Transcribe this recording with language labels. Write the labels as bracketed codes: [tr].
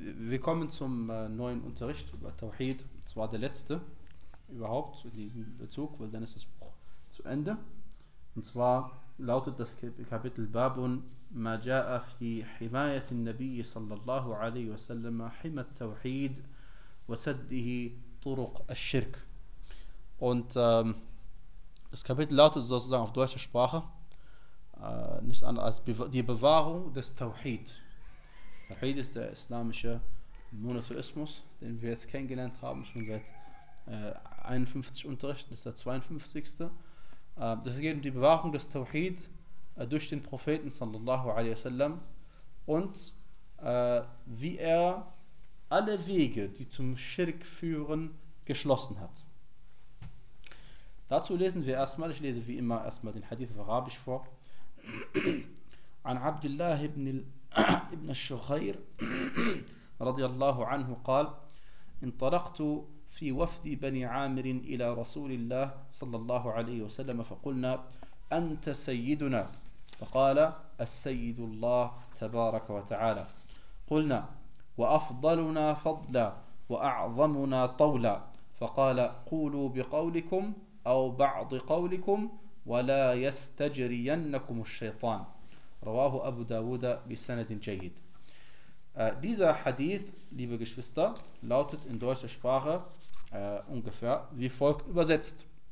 [de] Willkommen zum neuen Unterricht über Tawhid. Es war der letzte überhaupt in diesem Bezug, weil dann ist das Buch zu Ende. Und zwar lautet das Kapitel [ar] Babun ما جاء في حماية النبي صلى الله عليه وسلم حمى التوحيد وسده طرق الشرك. [de] Und das Kapitel lautet sozusagen auf deutscher Sprache nichts anderes als die Bewahrung des Tawhid. Tawhid ist der islamische Monotheismus, den wir jetzt kennengelernt haben, schon seit 51 Unterrichten, das ist der 52. Das geht um die Bewahrung des Tawhid durch den Propheten sallallahu alaihi wasallam und wie er alle Wege, die zum Schirk führen, geschlossen hat. Dazu lesen wir erstmal, ich lese wie immer erstmal den Hadith auf Arabisch vor. [ar] عن عبد الله ابن الشخير رضي الله عنه قال انطلقت في وفد بني عامر إلى رسول الله صلى الله عليه وسلم فقلنا أنت سيدنا فقال السيد الله تبارك وتعالى قلنا وأفضلنا فضلا وأعظمنا طولا فقال قولوا بقولكم أو بعض قولكم ولا يستجرينكم الشيطان رواه أبو داود بسند جيد. [de] Dieser Hadith, liebe Geschwister, lautet in deutscher Sprache ungefähr wie folgt übersetzt.